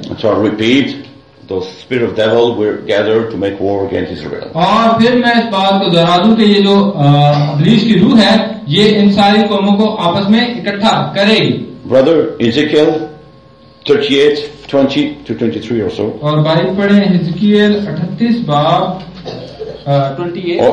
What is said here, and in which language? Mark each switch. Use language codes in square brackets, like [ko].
[hi] अच्छा, repeat. [en] The spirit of devil were gathered to make war against Israel. [hi] और फिर मैं इस बात को दोहरा दूं कि ये जो इब्लीस की रूह है ये इन सारी कौमों को आपस में इकट्ठा करेगी. [en] Brother Ezekiel 38:20-23 or so. [hi] और भाई पढ़े Ezekiel 38 बाब 28.